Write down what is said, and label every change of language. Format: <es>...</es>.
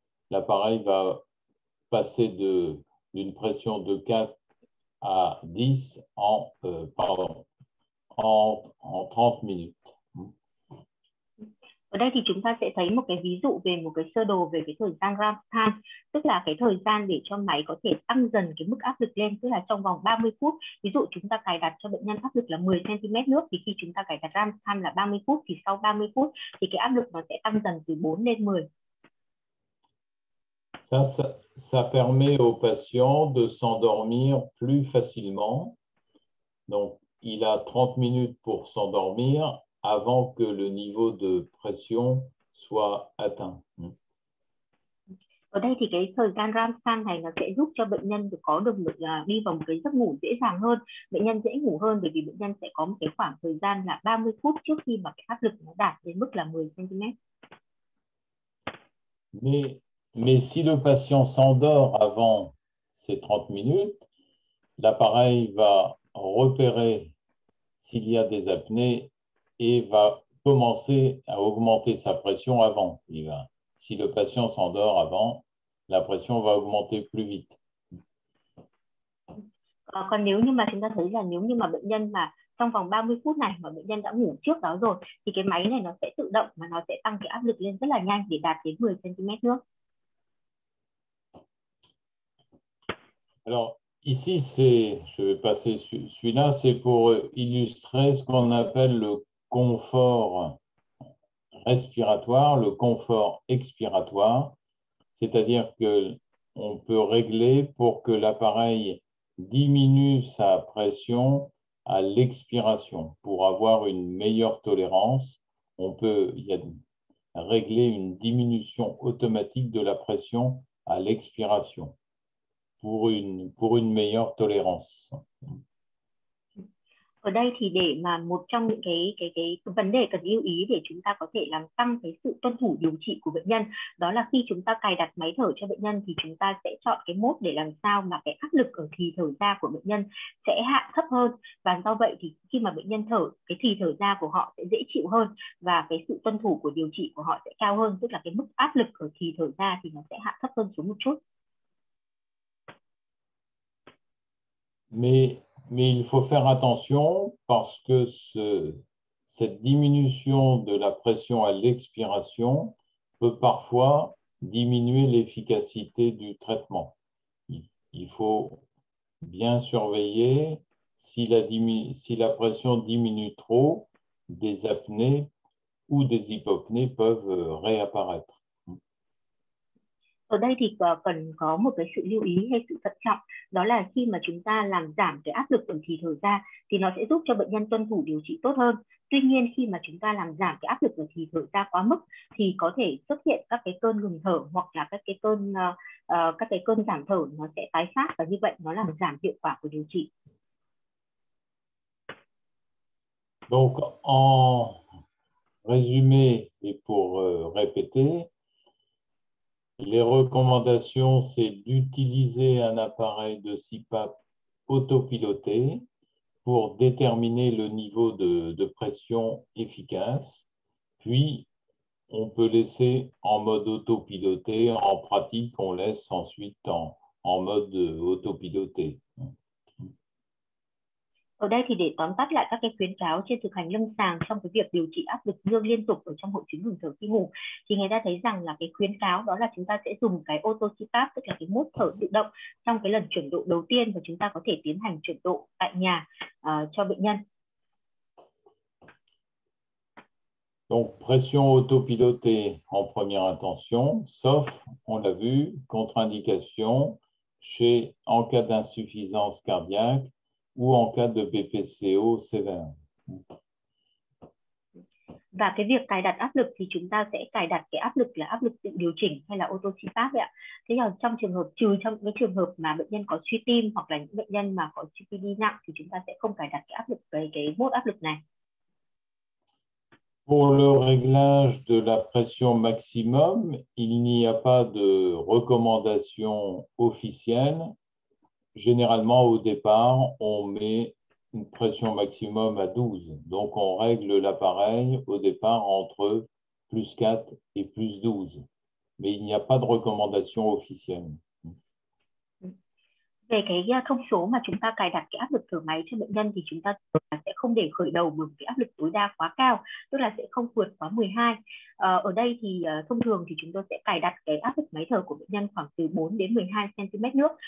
<fr>L'appareil va passer d'une pression de 4 à 10 en 30 minutes.</fr> <vi>Ở đây thì chúng ta sẽ thấy một cái ví dụ về một cái sơ đồ về cái thời gian RAM time, tức là cái thời gian để cho máy có thể tăng dần cái mức áp lực lên, tức là trong vòng 30 phút. Ví dụ chúng ta cài đặt cho bệnh nhân áp lực là 10 cm nước thì khi chúng ta cài đặt RAM time là 30 phút thì sau 30 phút thì cái áp lực nó sẽ tăng dần từ 4 lên 10.</vi> <fr>Ça permet au patient de s'endormir plus facilement. Donc il a 30 minutes pour s'endormir avant que le niveau de pression soit atteint.</fr> <vi>Ở đây thì cái thời gian RAM time này nó sẽ giúp cho bệnh nhân có được một đi vào một cái giấc ngủ dễ dàng hơn, bệnh nhân dễ ngủ hơn bởi vì bệnh nhân sẽ có một cái khoảng thời gian là 30 phút trước khi mà cái áp lực nó đạt đến mức là 10 cm.</vi> <fr>Mais si le patient s'endort avant ces 30 minutes, l'appareil va repérer s'il y a des apnées et va commencer à augmenter sa pression avant. Si le patient s'endort avant, la pression va augmenter plus vite.</fr> <vi>Còn nếu như mà chúng ta thấy là nếu như mà bệnh nhân mà trong vòng 30 phút này mà bệnh nhân đã ngủ trước đó rồi, thì cái máy này nó sẽ tự động mà nó sẽ tăng cái áp lực lên rất là nhanh để đạt đến 10 cm nước.</vi> <fr>Alors ici, je vais passer celui-là, c'est pour illustrer ce qu'on appelle le confort respiratoire, le confort expiratoire, c'est-à-dire qu'on peut régler pour que l'appareil diminue sa pression à l'expiration. Pour avoir une meilleure tolérance, on peut régler une diminution automatique de la pression à l'expiration pour une meilleure tolérance.</fr> <vi>Ở đây thì để mà một trong những cái vấn đề cần lưu ý để chúng ta có thể làm tăng cái sự tuân thủ điều trị của bệnh nhân, đó là khi chúng ta cài đặt máy thở cho bệnh nhân thì chúng ta sẽ chọn cái mode để làm sao mà cái áp lực ở thì thở ra của bệnh nhân sẽ hạ thấp hơn, và do vậy thì khi mà bệnh nhân thở, cái thì thở ra của họ sẽ dễ chịu hơn và cái sự tuân thủ của điều trị của họ sẽ cao hơn, tức là cái mức áp lực ở thì thở ra thì nó sẽ hạ thấp hơn xuống một chút.</vi> <fr>Mais il faut faire attention parce que cette diminution de la pression à l'expiration peut parfois diminuer l'efficacité du traitement. Il faut bien surveiller si la pression diminue trop, des apnées ou des hypopnées peuvent réapparaître.</fr> <vi>Ở đây thì cần có một cái sự lưu ý hay sự thận trọng, đó là khi mà chúng ta làm giảm cái áp lực ở thì thở ra thì nó sẽ giúp cho bệnh nhân tuân thủ điều trị tốt hơn. Tuy nhiên khi mà chúng ta làm giảm cái áp lực ở thì thở ra quá mức thì có thể xuất hiện các cái cơn ngừng thở hoặc là các cái cơn giảm thở nó sẽ tái phát, và như vậy nó làm giảm hiệu quả của điều trị.</vi> <fr>Donc en résumé et pour répéter, les recommandations, c'est d'utiliser un appareil de CPAP autopiloté pour déterminer le niveau de pression efficace. Puis, on peut laisser en mode autopiloté. En pratique, on laisse ensuite en mode autopiloté.</fr> <vi>Ở đây thì để tóm tắt lại các cái khuyến cáo trên thực hành lâm sàng trong cái việc điều trị áp lực dương liên tục ở trong hội chứng ngừng thở khi ngủ, thì người ta thấy rằng là cái khuyến cáo đó là chúng ta sẽ dùng cái ô tô CPAP, tức là cái mốt thở tự động trong cái lần chuyển độ đầu tiên, và chúng ta có thể tiến hành chuyển độ tại nhà cho bệnh nhân.</vi> <fr>Donc pression autopilotée en première intention, sauf, on l'a vu, contre-indication chez en cas d'insuffisance cardiaque ou en cas de BPCO sévère.</fr> <vi>Và cái việc cài đặt áp lực thì chúng ta sẽ cài đặt cái áp lực là áp lực tự điều chỉnh hay là auto CPAP ạ. Thế là trong trường hợp, trừ trong những trường hợp mà bệnh nhân có suy tim hoặc là những bệnh nhân mà có CPD nặng thì chúng ta sẽ không cài đặt cái áp lực về cái mode áp lực này.</vi> <fr>Pour le réglage de la pression maximum, il n'y a pas de recommandation officielle. Généralement, au départ, on met une pression maximum à 12. Donc, on règle l'appareil au départ entre plus 4 et plus 12. Mais il n'y a pas de recommandation officielle.</fr> <vi>Về cái thông số mà chúng ta cài đặt cái áp lực thở máy cho bệnh nhân thì chúng ta sẽ không để khởi đầu bằng cái áp lực tối đa quá cao, tức là sẽ không vượt quá 12. Ở đây thì thông thường thì chúng tôi sẽ cài đặt cái áp lực máy thở của bệnh nhân khoảng từ 4 đến 12 cm nước.</vi>